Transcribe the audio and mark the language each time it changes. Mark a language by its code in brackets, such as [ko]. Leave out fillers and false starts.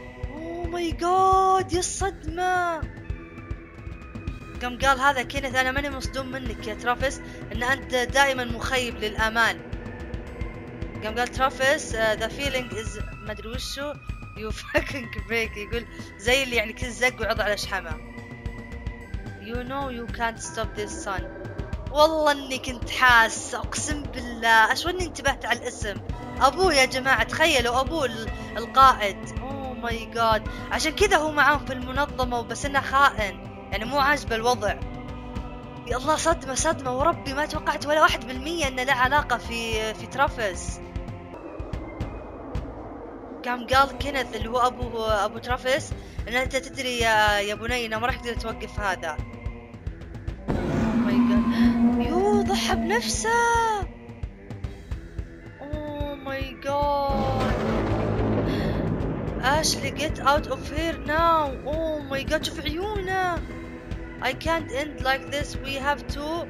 [ar] او ماي جاد، يا الصدمه. قام قال هذا كينيث، انا ماني مصدوم منك يا ترافيس، ان انت دائما مخيب للامان. قام قال ترافيس [en] the feeling is، [ar] ما ادري وشو، [en] you fucking break، [ar] يقول زي اللي يعني كل زق وعض على شحمه. [en] you know you can't stop this son. [ar] والله اني كنت حاس، اقسم بالله، اشواني انتبهت على الاسم ابوه يا جماعه، تخيلوا ابوه القائد. او ماي جاد، عشان كذا هو معاهم في المنظمه، وبس انه خائن، يعني مو عاجب الوضع. يا الله، صدمة صدمة، وربي ما توقعت ولا 1% ان له علاقة في ترافيس. قام قال كينيث اللي هو ابو ترافيس، ان انت تدري يا بني انه ما راح تقدر توقف هذا. او ماي جاد، يو ضحى بنفسه. [en] Oh my God, Ashley get out of here now. Oh my God, [ar] شوف عيونه. [en] I can't end like this. We have to